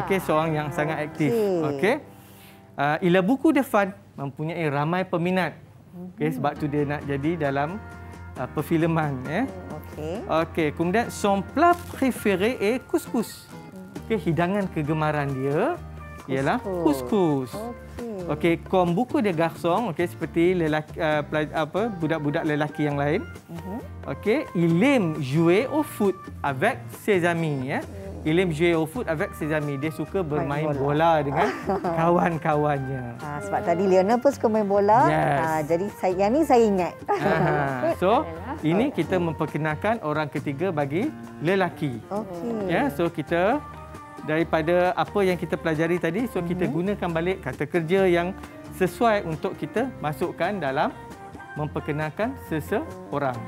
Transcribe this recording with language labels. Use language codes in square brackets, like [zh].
[ms] Okey, seorang yang sangat aktif. Okey. [fr] Il a beaucoup de fans, [ms] mempunyai ramai peminat. Okey, sebab tu dia nak jadi dalam perfileman, ya. Okey. [fr] Okey, [ms] kemudian [fr] son plat préféré est couscous. [ms] Okey, hidangan kegemaran dia ialah couscous. Okey. Okey, [fr] comme beaucoup de garçons, [ms] okey, seperti lelaki budak-budak lelaki yang lain. [fr] Okey, il aime jouer au foot avec ses amis, ya. Il aime jouer au foot avec ses amis. [ms] Dia suka bermain bola dengan kawan-kawannya. Sebab tadi Lionel pun suka main bola. [en] Yes. [ms] Jadi yang ni saya ingat. So, ini kita memperkenalkan orang ketiga bagi lelaki. Okey. Ya, so kita daripada apa yang kita pelajari tadi, so kita gunakan balik kata kerja yang sesuai untuk kita masukkan dalam memperkenalkan seseorang.